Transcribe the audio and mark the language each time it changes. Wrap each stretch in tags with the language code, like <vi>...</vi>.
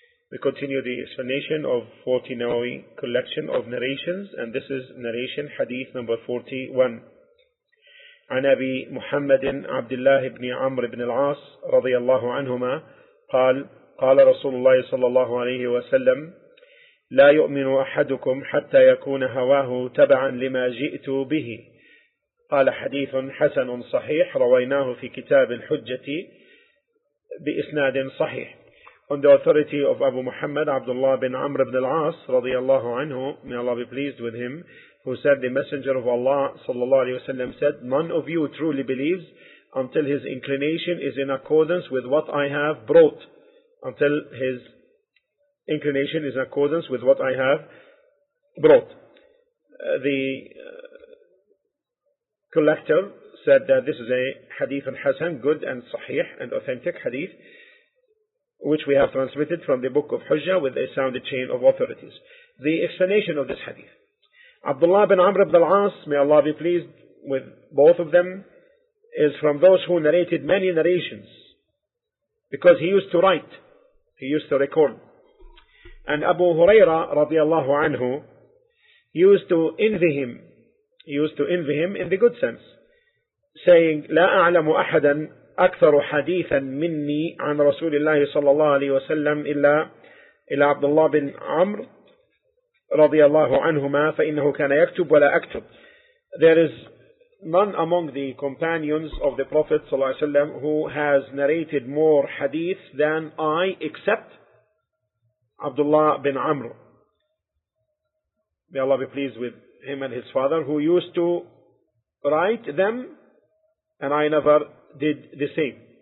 <en>We continue the explanation of 40 Nawawi collection of narrations, and this is narration hadith number 41.</en> <ar>عن أبي محمد عبد الله بن عمرو بن العاص رضي الله عنهما قال قال رسول الله صلى الله عليه وسلم لا يؤمن أحدكم حتى يكون هواه تبعا لما جئت به. قال حديث حسن صحيح رويناه في كتاب الحجة بإسناد صحيح.</ar> <en>On the authority of Abu Muhammad Abdullah bin Amr ibn al-As</en> <ar>رضي الله عنه,</ar> <en>may Allah be pleased with him, who said the Messenger of Allah</en> <ar>صلى الله عليه وسلم</ar> <en>said, none of you truly believes until his inclination is in accordance with what I have brought. Until his inclination is in accordance with what I have brought. The collector said that this is a hadith and hasan, good and sahih and authentic hadith, which we have transmitted from the book of Hujjah with a sound chain of authorities. The explanation of this hadith. Abdullah bin Amr ibn al-As, may Allah be pleased with both of them, is from those who narrated many narrations, because he used to write, he used to record. And Abu Hurairah radiallahu anhu used to envy him in the good sense, saying,</en> <ar>لا أعلم أحدا أكثر حديثا مني عن رسول الله صلى الله عليه وسلم إلا عبد الله بن عمر رضي الله عنهما فإنه كان يكتب ولا أكتب.</ar> <en>There is none among the companions of the Prophet</en> <ar>صلى الله عليه وسلم</ar> <en>who has narrated more hadith than I, except Abdullah bin Amr. May Allah be pleased with him and his father, who used to write them, and I never did the same.</en>